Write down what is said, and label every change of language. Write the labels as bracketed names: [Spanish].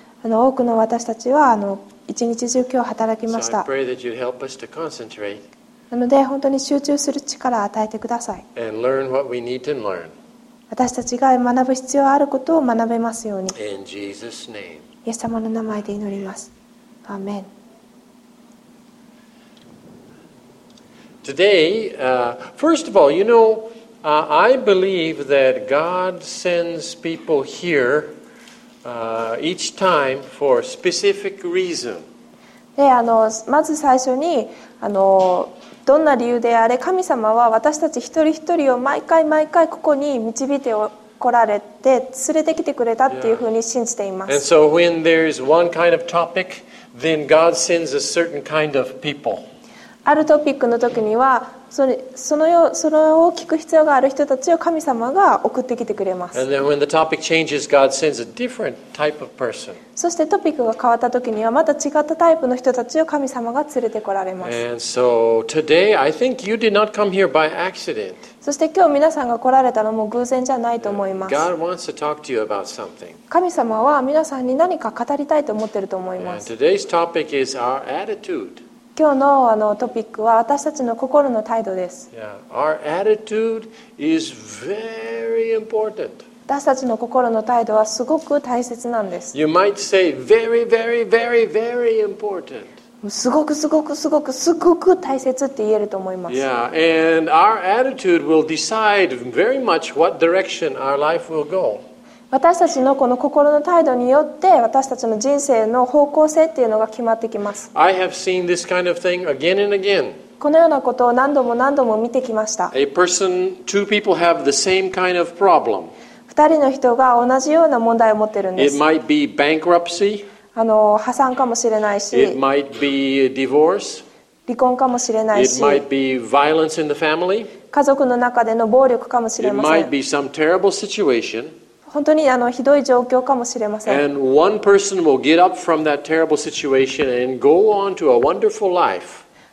[Japanese] 多くの私たちは一日中今日働きました。 [English] So、I pray that you'd help us to concentrate. [Japanese] なので本当に集中する力を与えてください。 [English] And learn what we need to learn. [Japanese] 私たちが学ぶ必要あることを学べますように。 [English] In Jesus' name. [Japanese] イエス様の名前で祈ります。アーメン。 [English] Today, first of all, you know, I believe that God sends people here each time for a specific reason. [Japanese] でまず最初にどんな理由であれ神様は私たち一人一人を毎回毎回ここに導いてこられて連れてきてくれたっていうふうに信じています。 [English] And so when there's one kind of topic, then God sends a certain kind of people. [Japanese] あるトピックの時にはそのを聞く必要がある人たちを神様が送ってきてくれます。 [English] And then when the topic changes, God sends a different type of person. [Japanese] そしてトピックが変わった時にはまた違ったタイプの人たちを神様が連れてこられます。 [English] And so today, I think you did not come here by accident. [Japanese] そして今日皆さんが来られたのも偶然じゃないと思います。 [English] God wants to talk to you about something. [Japanese] 神様は皆さんに何か語りたいと思っていると思います。 [English] And today's topic is our attitude. [Japanese] 今日のトピックは私たちの心の態度です。 [English] Yeah. Our attitude is very important. [Japanese] 私たちの心の態度はすごく大切なんです。 [English] You might say very, very, very, very important. [Japanese] すごくすごくすごくすごく大切って言えると思います。 [English] Yeah. And our attitude will decide very much what direction our life will go. [Japanese] 私たちのこの心の態度によって私たちの人生の方向性っていうのが決まってきます。 [English] I have seen this kind of thing again and again. [Japanese] このようなことを何度も何度も見てきました。 [English] A person, two people have the same kind of problem. [Japanese] 二人の人が同じような問題を持ってるんです。 [English] It might be bankruptcy. [Japanese] 破産かもしれないし。 [English] It might be divorce. [Japanese] 離婚かもしれないし。 [English] It might be violence in the family. [Japanese] 家族の中での暴力かもしれません。 [English] It might be some terrible situation. [Japanese] 本当にひどい状況かもしれません。 [English] And one person will get up from that terrible situation and go on to a wonderful life.